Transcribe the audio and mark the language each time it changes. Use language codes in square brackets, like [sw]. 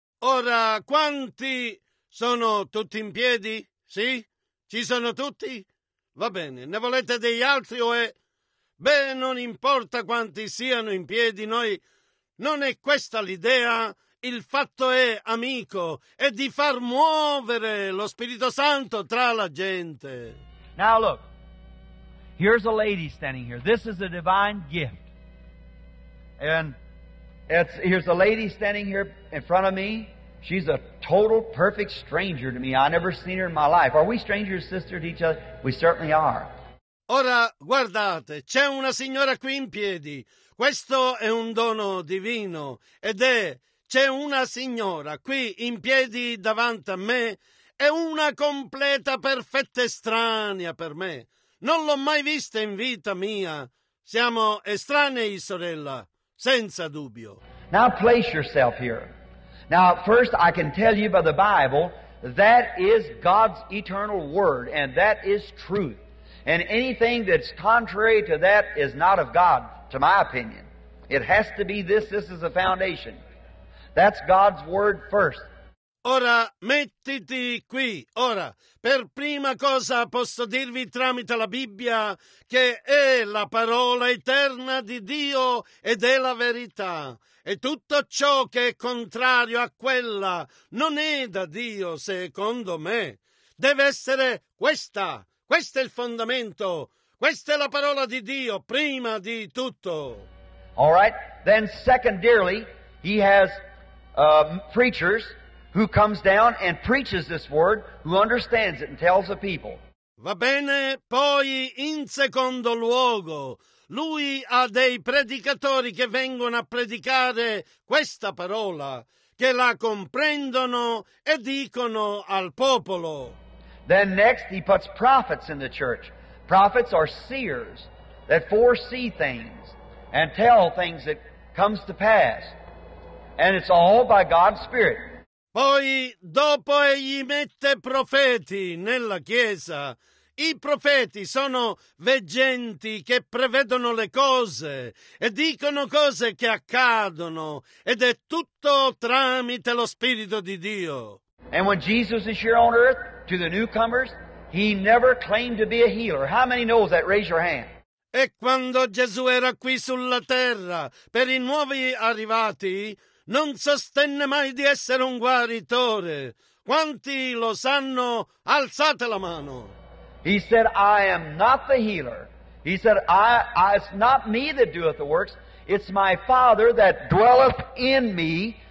[it] Ora, quanti sono tutti in piedi? Sì? Ci sono tutti? Va bene. Ne volete degli altri o è... Beh, non importa quanti siano in piedi, noi... Non è questa l'idea. Il fatto è, amico, è di far muovere lo Spirito Santo tra la gente. [en] Now look, here's a lady standing here. This is a divine gift. And here's a lady standing here in front of me. She's a total, perfect stranger to me. I've never seen her in my life. Are we strangers, sister, to each other? We certainly are. [it] Ora, guardate, c'è una signora qui in piedi. Questo è un dono divino. Ed è, c'è una signora qui in piedi davanti a me. È una completa, perfetta estranea per me. Non l'ho mai vista in vita mia. Siamo estranei, sorella, senza dubbio. [en] Now place yourself here. Now, first I can tell you by the Bible, that is God's eternal word, and that is truth. And anything that's contrary to that is not of God, to my opinion. It has to be this. This is the foundation. That's God's word first. [it] Ora, mettiti qui. Ora, per prima cosa posso dirvi tramite la Bibbia che è la parola eterna di Dio ed è la verità. E tutto ciò che è contrario a quella non è da Dio, secondo me. Deve essere questa. Questo è il fondamento. Questa è la parola di Dio, prima di tutto. [en] All right. Then, secondarily, he has preachers... who comes down and preaches this word, who understands it and tells the people. [it] Va bene, poi in secondo luogo, lui ha dei predicatori che vengono a predicare questa parola, che la comprendono e dicono al popolo. [en] Then next he puts prophets in the church. Prophets are seers that foresee things and tell things that comes to pass. And it's all by God's Spirit. [it] Poi, dopo egli mette profeti nella Chiesa. I profeti sono veggenti che prevedono le cose e dicono cose che accadono, ed è tutto tramite lo Spirito di Dio. [en] And when Jesus is here on earth to the newcomers, he never claimed to be a healer. How many knows that? Raise your hand. [it] E quando Gesù era qui sulla terra per i nuovi arrivati, non sostenne mai di essere un guaritore. Quanti lo sanno? Alzate la mano. [en] He said, I am not the healer. He said, it's not me that doeth the works. It's my Father that dwelleth in me.